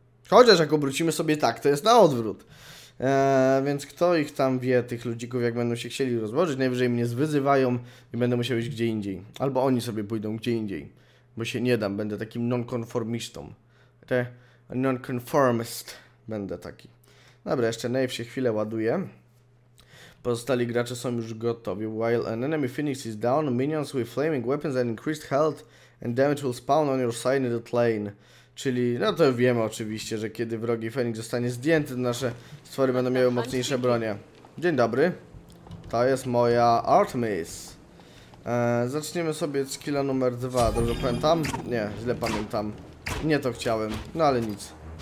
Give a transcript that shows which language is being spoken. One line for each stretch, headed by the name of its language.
Polish: Chociaż jak obrócimy sobie tak, to jest na odwrót. Więc kto ich tam wie, tych ludzików, jak będą się chcieli rozłożyć, najwyżej mnie zwyzywają i będę musiał iść gdzie indziej. Albo oni sobie pójdą gdzie indziej, bo się nie dam, będę takim nonkonformistą. Te non-conformist będę taki. Dobra, jeszcze Nave się chwilę ładuje. Pozostali gracze są już gotowi.
English: While an enemy phoenix is down, minions with flaming weapons and increased health and damage will spawn on your side in the lane.
Polish: Czyli, no to wiemy oczywiście, że kiedy wrogi phoenix zostanie zdjęty, nasze stwory będą miały mocniejsze bronie. Dzień dobry. To jest moja Artemis. Zaczniemy sobie od skilla numer 2. Dobrze pamiętam? Nie, źle pamiętam. Nie to chciałem, no ale nic.